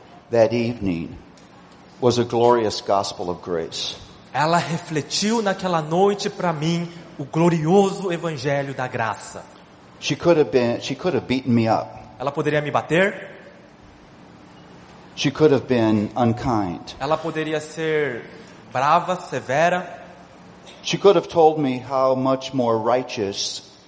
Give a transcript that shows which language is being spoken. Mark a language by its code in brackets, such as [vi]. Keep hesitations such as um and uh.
[en] That evening was a glorious gospel of grace. [pt] Ela refletiu naquela noite para mim o glorioso evangelho da graça. [en] She could have been she could have beaten me up. [pt] Ela poderia me bater? [en] She could have been unkind. [pt] Ela poderia ser brava, severa. [en] She could have told me how much more righteous